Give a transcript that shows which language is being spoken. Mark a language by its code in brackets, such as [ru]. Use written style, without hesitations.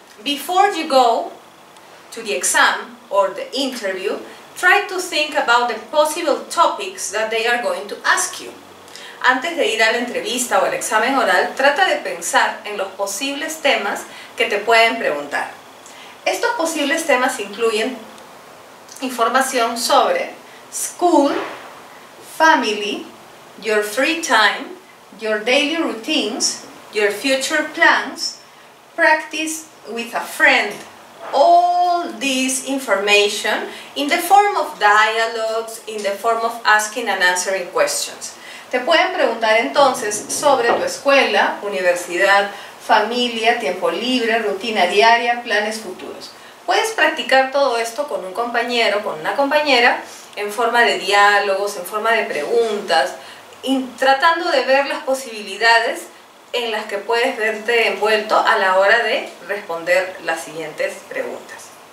[en] Before you go to the exam or the interview, try to think about the possible topics that they are going to ask you. [es] Antes de ir a la entrevista o al examen oral, trata de pensar en los posibles temas que te pueden preguntar. Estos posibles temas incluyen información sobre [en] school, family, your free time, your daily routines, your future plans, practice with a friend. All this information in the form of dialogues, in the form of asking and answering questions. [es] Te pueden preguntar entonces sobre tu escuela, universidad, familia, tiempo libre, rutina diaria, planes futuros. Puedes practicar todo esto con un compañero, con una compañera, en forma de diálogos, en forma de preguntas, tratando de ver las posibilidades en las que puedes verte envuelto a la hora de responder las siguientes preguntas.